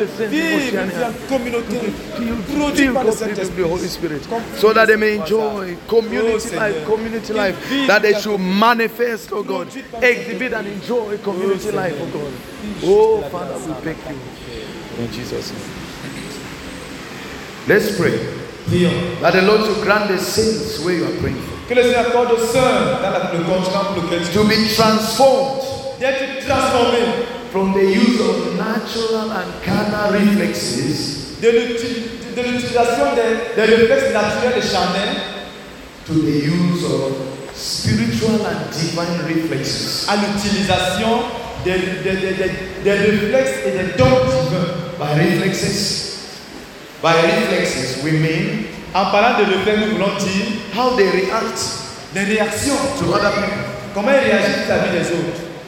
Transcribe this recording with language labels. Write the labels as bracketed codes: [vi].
[fr] vive dans la communauté produite par le Saint-Esprit. [en] So that they may enjoy community life, that they should manifest, oh God, exhibit and enjoy community life, oh God. Oh Father, we beg you in Jesus' name. Let's pray that the Lord will grant the saints where you are praying for. [fr] Que le Seigneur accorde aux saints dans la communauté locale [en] to be transformed. [fr] D'être transformé [en] from the use of natural and carnal reflexes [fr] de l'utilisation des réflexes naturels et charnels [en] to the use of spiritual and divine reflexes [fr] à l'utilisation des réflexes et des dons divins. [en] By reflexes we mean [fr] en parlant de réflexes nous voulons dire [en] how they react [fr] les réactions [en] to other people [fr] comment ils réagissent à la vie des autres.